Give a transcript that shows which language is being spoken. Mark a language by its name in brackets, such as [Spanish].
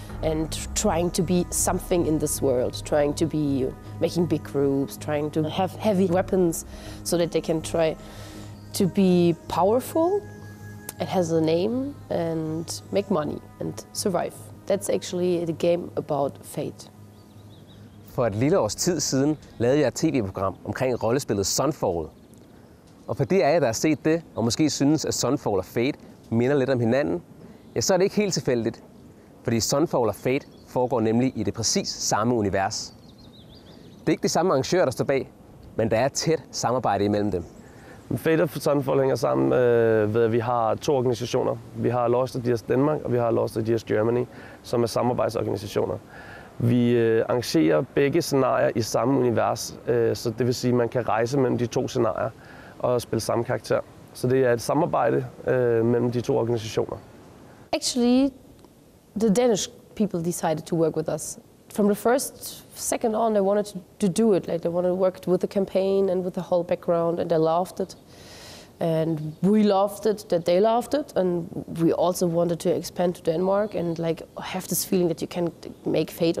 [English] and trying to be something in this world, trying to be making big groups, trying to have heavy weapons so that they can try to be powerful and has a name and make money and survive. That's actually the game about F.A.T.E. [Danish] For et lille års tid siden lavede jeg et tv-program omkring rollespillet Sunfall. Og for de af jer, der har set det og måske synes, at Sunfall og F.A.T.E. minder lidt om hinanden, ja, så er det ikke helt tilfældigt. Fordi Sunfall og F.A.T.E. foregår nemlig i det præcis samme univers. Det er ikke de samme arrangører, der står bag, men der er tæt samarbejde imellem dem. F.A.T.E. og Sunfall hænger sammen ved, at vi har 2 organisationer. Vi har Lost Ideas Danmark, og vi har Lost Ideas Germany, som er samarbejdsorganisationer. Vi arrangerer begge scenarier i samme univers, så det vil sige, at man kan rejse mellem de 2 scenarier og spille samme karakter. Så det er et samarbejde mellem de 2 organisationer. [English] Actually, the Danish people decided to work with us. From the first second on, they wanted to do it. Like, they wanted to work with the campaign and with the whole background, and they loved it. And we loved it that they loved it. And we also wanted to expand to Denmark and like have this feeling that you can make F.A.T.E.